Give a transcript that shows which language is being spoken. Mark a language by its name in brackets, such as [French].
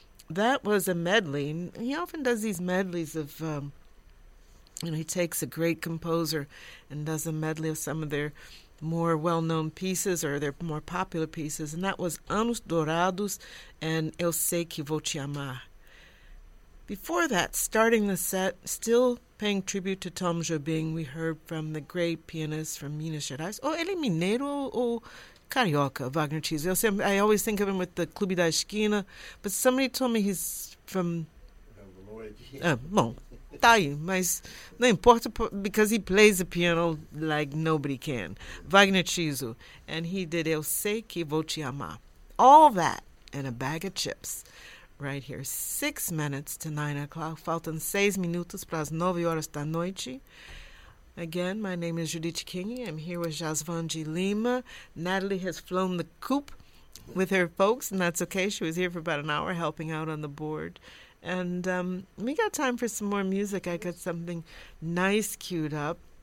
[English] That was a medley. He often does these medleys of, he takes a great composer and does a medley of some of their more well-known pieces or their more popular pieces. And that was Anos Dourados and Eu Sei Que Vou Te Amar. Before that, starting the set, still paying tribute to Tom Jobim, we heard from the great pianist from Minas Gerais. [Portuguese] Oh, ele é mineiro ou carioca, Wagner Cheese. [English] I always think of him with the Clube da Esquina, but somebody told me he's from... [Portuguese] tá aí, mas não importa, [English] because he plays the piano like nobody can. Wagner Cheese. And he did Eu Sei Que Vou Te Amar. All that and a bag of chips. Right here, 6 minutes to 9 o'clock. [Spanish] Faltan [Portuguese] 6 minutos para as 9 horas da noite. [English] Again, my name is Judith Kingi. I'm here with Jasvan G. Lima. Natalie has flown the coop with her folks, and that's okay. She was here for about an hour helping out on the board. And we got time for some more music. I got something nice queued up.